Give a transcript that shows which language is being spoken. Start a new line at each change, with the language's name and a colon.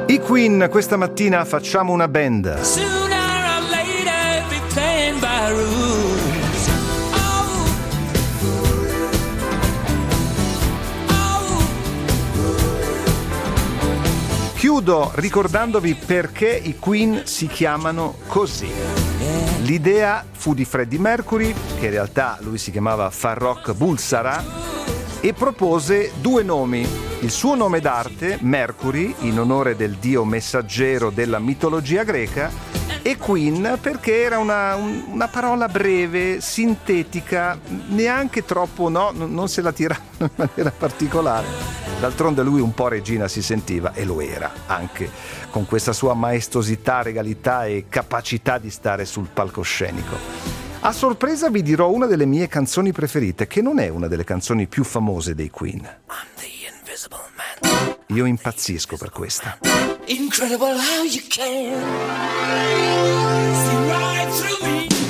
Italian: Queen, questa mattina facciamo una band.
English: Sooner or later be playing by rules. Oh. Oh.
Italian: Chiudo ricordandovi perché i Queen si chiamano così. L'idea fu di Freddie Mercury, che in realtà lui si chiamava Farrokh Bulsara, e propose due nomi. Il suo nome d'arte, Mercury, in onore del dio messaggero della mitologia greca, e Queen, perché era una parola breve, sintetica, neanche troppo, no, non se la tirava in maniera particolare. D'altronde lui un po' regina si sentiva, e lo era, anche con questa sua maestosità, regalità e capacità di stare sul palcoscenico. A sorpresa vi dirò una delle mie canzoni preferite, che non è una delle canzoni più famose dei Queen.
English: I'm the Invisible Man.
Italian: Io impazzisco per questa.
English: Incredible how you can see right through me.